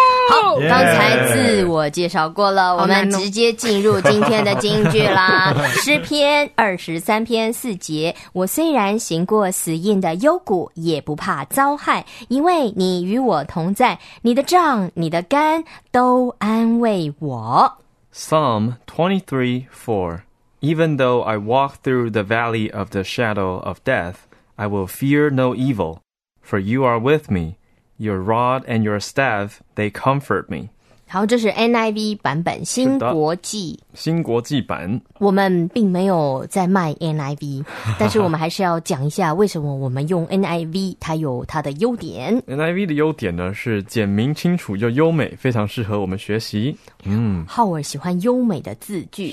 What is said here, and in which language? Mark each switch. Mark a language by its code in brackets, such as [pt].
[zh] 好、刚才自我介绍过了，我们直接进入今天的金句啦。诗篇23篇4节，我虽然行过死荫的幽谷，也不怕遭害，因为你与我同在，你的杖你的竿都安慰我。 [en] Psalm 23:4， Even though I walk through the valley of the shadow of death, I will fear no evil, for you are with me. Your rod and your staff, they comfort me. [zh] 好，这是 NIV 版本，新国际。新国际版。我们并没有在卖 NIV， 但是我们还是要讲一下为什么我们用 NIV， 它有它的优点。 NIV 的优点呢，是简明清楚又优美，非常适合我们学习。浩尔喜欢优美的字句。